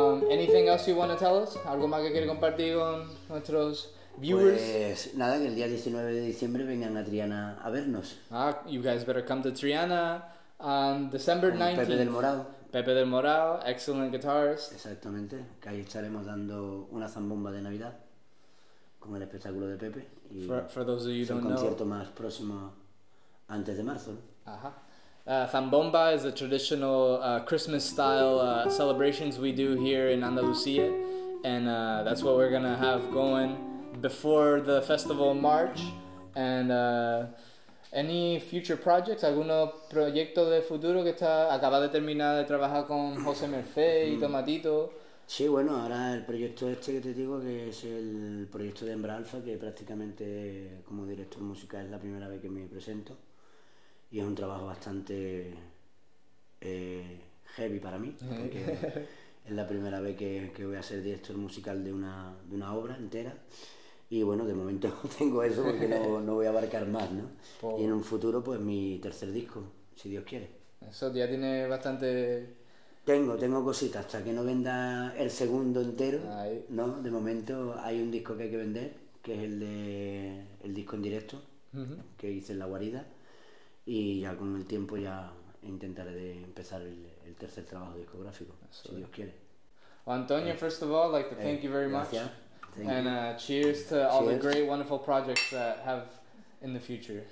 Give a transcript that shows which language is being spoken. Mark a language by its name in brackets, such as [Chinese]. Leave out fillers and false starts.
[English] Anything else you want to tell us? [Spanish] Algo más que quiere compartir con nuestros [English] viewers? [Spanish] Pues nada, que el día 19 de diciembre vengan a Triana a vernos. [English] Ah, you guys better come to Triana on December 19th. [Spanish] Pepe del Morado. [English] Pepe del Morado, excellent guitarist. [Spanish] Exactamente, que ahí estaremos dando una zambomba de Navidad con el espectáculo de Pepe. [English] Y for those of you who don't know. [Spanish] Es un concierto más próximo antes de marzo. [English] Ajá. Zambomba is a traditional Christmas-style celebrations we do here in Andalucía. And that's what we're gonna have going before the festival in March. And any future projects? [Spanish] ¿Alguno proyecto de futuro que está acaba de terminar de trabajar con José Merced y Tomatito? Sí, bueno, ahora el proyecto este que te digo, que es el proyecto de Hembra Alfa, que prácticamente como director musical es la primera vez que me presento. Y es un trabajo bastante heavy para mí. Porque es la primera vez que voy a ser director musical de una obra entera. Y bueno, de momento tengo eso porque no voy a abarcar más, ¿no? Y en un futuro, pues mi tercer disco, si Dios quiere. Eso ya tiene bastante... Tengo cositas. Hasta que no venda el segundo entero, ahí, ¿no? De momento hay un disco que hay que vender, que es el disco en directo, uh-huh, que hice en La Guarida. Y ya con el tiempo ya intentaré de empezar el tercer trabajo discográfico, eso si es. Dios quiere. [English] Well, Antonio, first of all, I'd like to thank you very [Spanish] gracias. [English] Much. And cheers to all cheers. The great, wonderful projects that have in the future.